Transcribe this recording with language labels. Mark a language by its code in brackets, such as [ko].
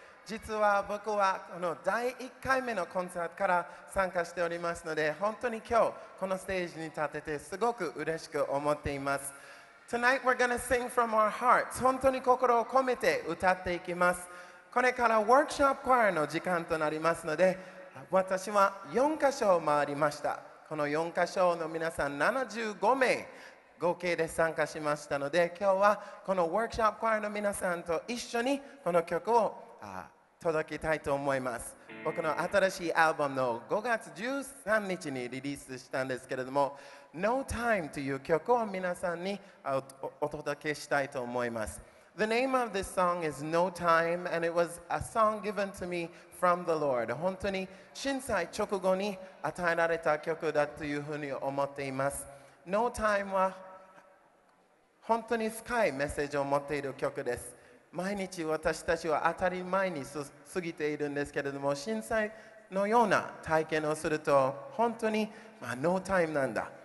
[ja] 実は僕はこの第1回目のコンサートから参加しておりますので、本当に今日このステージに立ててすごく嬉しく思っています。 [en] Tonight we're going to sing from our hearts. [ja] 本当に心を込めて歌っていきます。これからワークショップコアの時間となりますので、私は4箇所を回りました。この4箇所の皆さん75名合計で参加しましたので、今日はこのワークショップコアの皆さんと一緒にこの曲を届けたいと思います。僕の新しいアルバムの5月13日にリリースしたんですけれども、No Time という曲を皆さんに お届けしたいと思います。 [en] The name of this song is No Time, and it was a song given to me from the Lord. [ja] 本当に震災直後に与えられた曲だというふうに思っています。 No Time は本当に深いメッセージを持っている曲です。毎日私たちは当たり前に過ぎているんですけれども、震災のような体験をすると本当に、まあ、No Time なんだ。